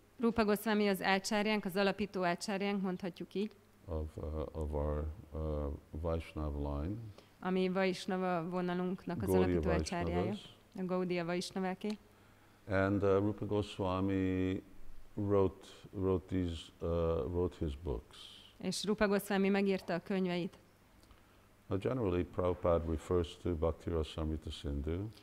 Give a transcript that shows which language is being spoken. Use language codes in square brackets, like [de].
[hu] Rupa Goswami az ácsárjánk, az alapító ácsárjánk, mondhatjuk így. [en] Of our Vaishnava line. [hu] Ami Vaishnava vonalunknak az Gaudiya alapító ácsárjája. A Gaudiya Vaishnaváké. [en] And Rupa Goswami wrote his books. [hu] És Rupa Goswami megírta a könyveit. [en] Now generally Prabhupada refers to Bhakti Rasamrita Sindhu.